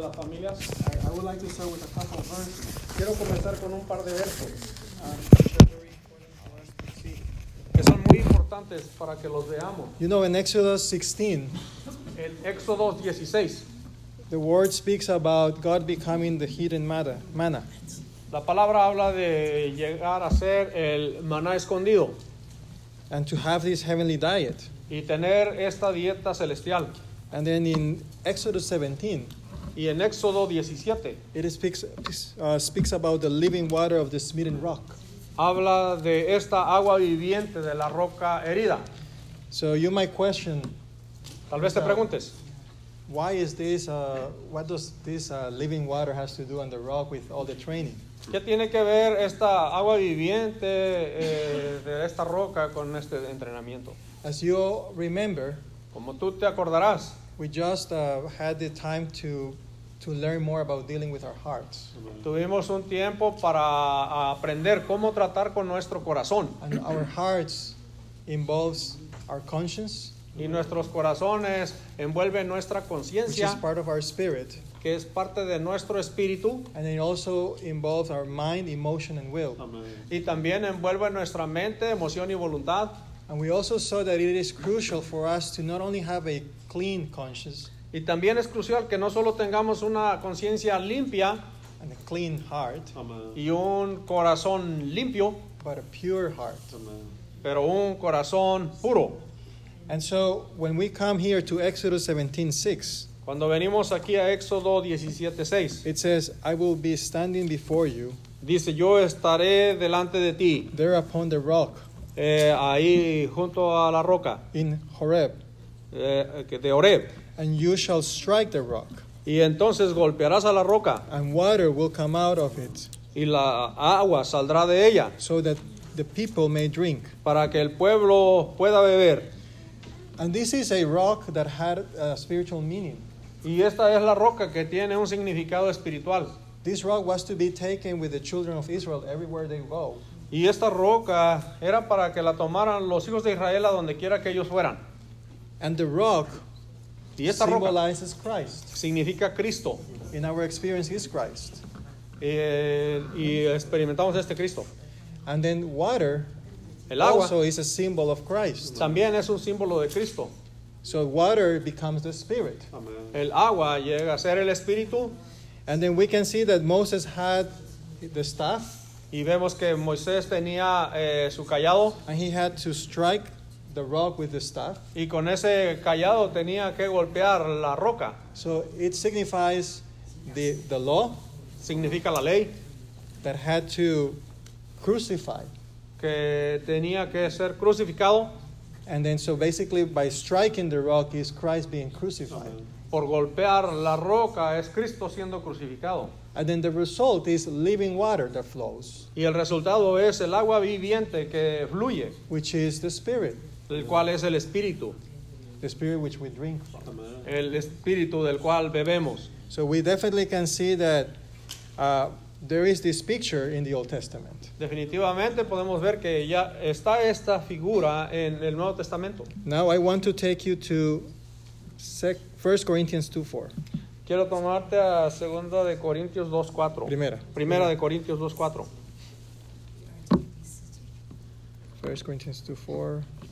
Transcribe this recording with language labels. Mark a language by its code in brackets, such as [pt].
[es] Las familias, [en] I would like to start with a couple of verses. [es] Quiero comenzar con un par de versos. Que son muy importantes para que los veamos. [en] You know, in Exodus 16, [es] el Éxodo 16, [en] the word speaks about God becoming the hidden manna. [es] La palabra habla de llegar a ser el maná escondido. [en] And to have this heavenly diet. [es] Y tener esta dieta celestial. [en] And then in Exodus 17, [es] y en Éxodo 17, [en] it speaks about the living water of the smitten rock. [es] Habla de esta agua viviente de la roca herida. [en] So you might question, [es] tal vez te preguntes, [en] why is this, what does this living water has to do on the rock with all the training? [es] ¿Qué tiene que ver esta agua viviente de esta roca con este entrenamiento? [en] As you remember, [es] como tú te acordarás, [en] we just had the time to learn more about dealing with our hearts. [es] Tuvimos un tiempo para aprender cómo tratar con nuestro corazón. [en] And our hearts involves our conscience. [es] Y nuestros corazones envuelven nuestra conciencia. [en] Which is part of our spirit. [es] Que es parte de nuestro espíritu. [en] And it also involves our mind, emotion, and will. [es] Amen. Y también envuelve nuestra mente, emoción y voluntad. [en] And we also saw that it is crucial for us to not only have a clean conscience. [es] Y también es crucial que no solo tengamos una conciencia limpia. [en] And a clean heart. Amen. [es] Y un corazón limpio. [en] But a pure heart. Amen. [es] Pero un corazón puro. [en] And so when we come here to Exodus 17:6. [es] Cuando venimos aquí a Éxodo 17:6. [en] It says, I will be standing before you. [es] Dice, yo estaré delante de ti. [en] There upon the rock. [es] Ahí junto a la roca. [en] In Horeb. [es] De Horeb. [en] And you shall strike the rock. [es] Y entonces golpearás a la roca. [en] And water will come out of it. [es] Y la agua saldrá de ella. [en] So that the people may drink. [es] Para que el pueblo pueda beber. [en] And this is a rock that had a spiritual meaning. [es] Y esta es la roca que tiene un significado espiritual. [en] This rock was to be taken with the children of Israel everywhere they go. [es] Y esta roca era para que la tomaran los hijos de Israel a donde quiera que ellos fueran. [en] And the rock [es] y esta [en] symbolizes [es] roca [en] Christ. [es] Significa Cristo. [en] In our experience is Christ. [es] Y experimentamos este Cristo. [en] And then water, [es] el agua, [en] also is a symbol of Christ. [es] También es un símbolo de Cristo. [en] So water becomes the spirit. Amen. [es] El agua llega a ser el espíritu. [en] And then we can see that Moses had the staff. [es] Y vemos que Moisés tenía su callado. [en] And he had to strike the rock with the staff. [es] Y con ese callado tenía que golpear la roca. [en] So it signifies the law. [es] Significa la ley. [en] That had to crucify. [es] Que tenía que ser crucificado. [en] And then so basically by striking the rock is Christ being crucified. [es] Por golpear la roca es Cristo siendo crucificado. [en] And then the result is living water that flows. [es] Y el resultado es el agua viviente que fluye. [en] Which is the spirit. [es] El cual es el espíritu. [en] The spirit which we drink from. Amen. [es] El espíritu del cual bebemos. [en] So we definitely can see that there is this picture in the Old Testament. [es] Definitivamente podemos ver que ya está esta figura en el Nuevo Testamento. [en] Now I want to take you to 1 Corinthians 2:4. [es] Quiero tomarte a 2 Corintios 2:4. Primera. Primera de Corintios 2:4. 1 Corintios 2:4.